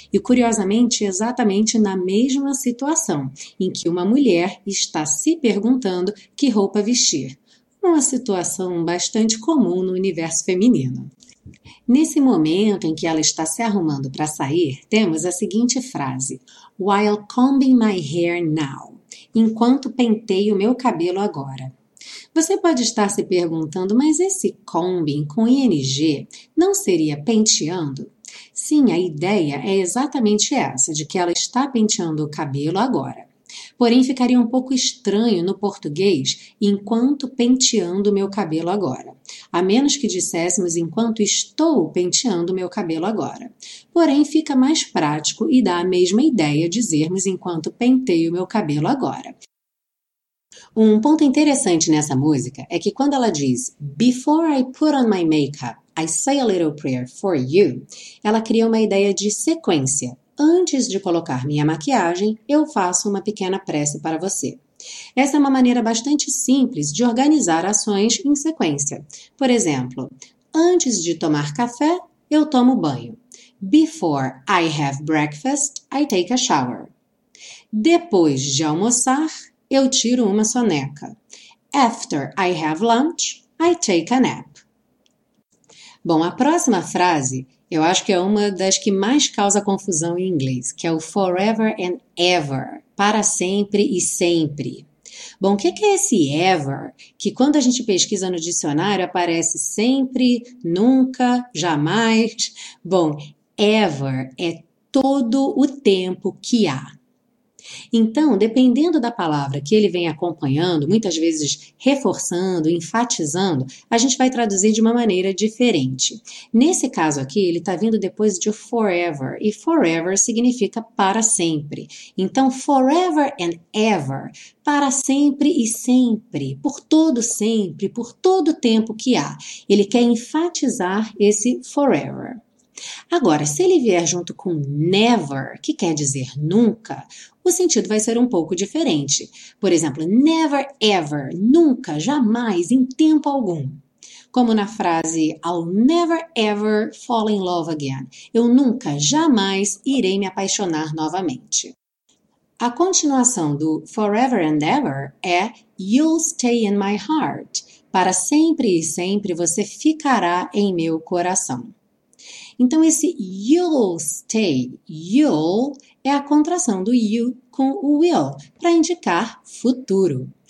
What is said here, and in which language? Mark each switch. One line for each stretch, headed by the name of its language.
Portuguese: E curiosamente, exatamente na mesma situação em que uma mulher está se perguntando que roupa vestir. Uma situação bastante comum no universo feminino. Nesse momento em que ela está se arrumando para sair, temos a seguinte frase.
English: While combing my hair now.
Portuguese: Enquanto penteio meu cabelo agora. Você pode estar se perguntando, mas esse combing com ing não seria penteando? Sim, a ideia é exatamente essa, de que ela está penteando o cabelo agora. Porém, ficaria um pouco estranho no português enquanto penteando meu cabelo agora. A menos que disséssemos enquanto estou penteando meu cabelo agora. Porém, fica mais prático e dá a mesma ideia dizermos enquanto penteio meu cabelo agora. Um ponto interessante nessa música é que quando ela diz
English: Before I put on my makeup, I say a little prayer for you,
Portuguese: ela cria uma ideia de sequência. antes de colocar minha maquiagem, eu faço uma pequena prece para você. Essa é uma maneira bastante simples de organizar ações em sequência. Por exemplo, antes de tomar café, eu tomo banho.
English: Before I have breakfast, I take a shower.
Portuguese: Depois de almoçar, eu tiro uma soneca.
English: After I have lunch, I take a nap.
Portuguese: Bom, a próxima frase eu acho que é uma das que mais causa confusão em inglês, que é o
English: forever and ever,
Portuguese: para sempre e sempre. Bom, o que é esse ever? Que quando a gente pesquisa no dicionário aparece sempre, nunca, jamais. Bom, ever é todo o tempo que há. Então, dependendo da palavra que ele vem acompanhando, muitas vezes reforçando, enfatizando, a gente vai traduzir de uma maneira diferente. Nesse caso aqui, ele está vindo depois de forever, e forever significa para sempre. Então,
English: forever and ever,
Portuguese: para sempre e sempre, por todo tempo que há. Ele quer enfatizar esse forever. Agora, se ele vier junto com
English: never,
Portuguese: que quer dizer nunca, o sentido vai ser um pouco diferente. Por exemplo,
English: never ever,
Portuguese: nunca, jamais, em tempo algum. Como na frase
English: I'll never ever fall in love again.
Portuguese: Eu nunca, jamais irei me apaixonar novamente. A continuação do
English: forever and ever
Portuguese: é
English: you'll stay in my heart.
Portuguese: Para sempre e sempre você ficará em meu coração. Então, esse you'll stay, you'll, é a contração do you com o will, para indicar futuro.